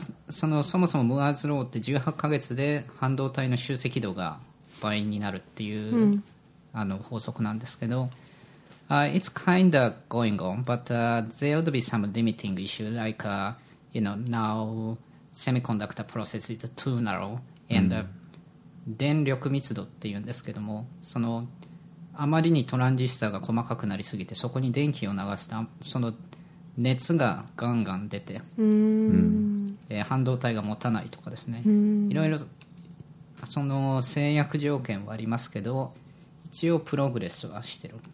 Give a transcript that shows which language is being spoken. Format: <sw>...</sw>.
<ja>そもそもムアーズローって18ヶ月で半導体の集積度が倍になるっていう、うん、あの法則なんですけど、</ja> <en>It's kind of going on, but there would be some limiting issue, like, you know, now semiconductor process is too narrow, and、</en> <ja>うん、電力密度っていうんですけども、そのあまりにトランジスタが細かくなりすぎて、そこに電気を流すと、その熱がガンガン出て、うん半導体が持たないとかですね、うん、いろいろその制約条件はありますけど一応プログレスはしてる、</ja>